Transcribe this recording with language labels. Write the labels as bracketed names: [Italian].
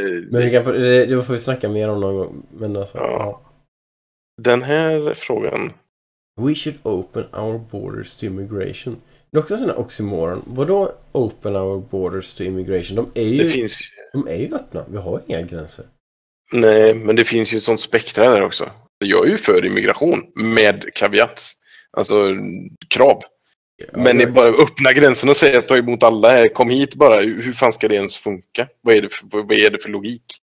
[Swedish] Men det får vi snacka mer om någon gång. Men alltså, ja. Den här frågan. [English] We should open our borders to immigration. [Swedish] Det är också en sån här oxymoron. Vadå [English] open our borders to immigration? [Swedish] De är ju öppna. Vi har inga gränser. Nej, men det finns ju ett sånt spektra där också. Jag är ju för immigration med caveats, alltså krav. Ja, men ni bara öppna gränserna och säger att ta emot alla här, kom hit bara. Hur fan ska det ens funka? Vad är det för logik?